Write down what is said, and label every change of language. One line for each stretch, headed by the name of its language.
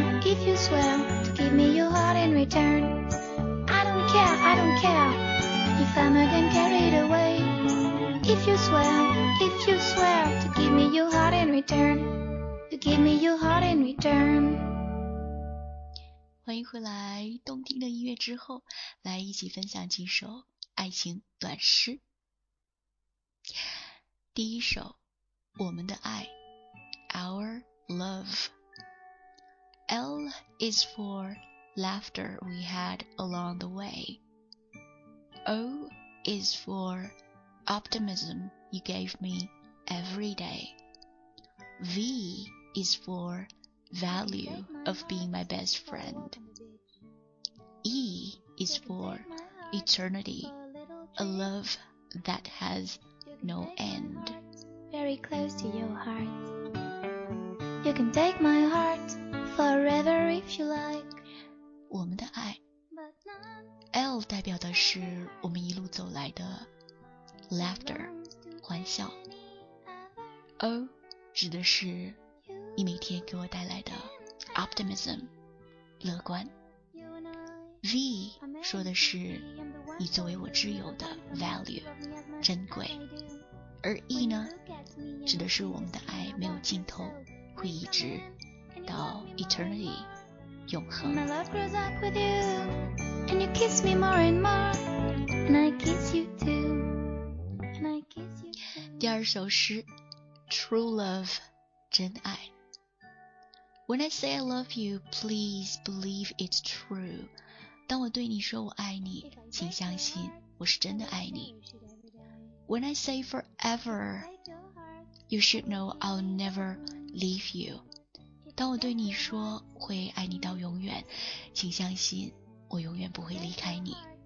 English: If you swear to give me your heart in return, I don't care if I'm again carried away. If you swear to give me your heart in return, to give me your heart in return.
Chinese: 欢迎回来，动听的音乐之后，来一起分享几首爱情短诗。第一首，我们的爱 ，
English: Our Love。 L is for laughter we had along the way. O is for optimism you gave me every day. V is for value of being my best friend. E is for eternity, a love that has no end. Very close to your heart. You can take my heartForever if you like.
Chinese: 我们的爱 L 代表的是我们一路走来的 Laughter 欢笑， O 指的是你每天给我带来的 Optimism 乐观， V 说的是你作为我挚友的 Value 珍贵，而意呢，指的是我们的爱没有尽头，会一直到 eternity 永恒。
English: My love grows up with you, and you kiss me more and more, and I kiss you too, and I kiss you too.
Chinese: 第二首诗 ，
English: True love，
Chinese: 真爱。
English: When I say I love you, please believe it's true.
Chinese: 当我对你说我爱你，请相信我是真的爱你。
English: When I say forever, you should know I'll never leave you.
Chinese: 当我对你说会爱你到永远，请相信我永远不会离开你。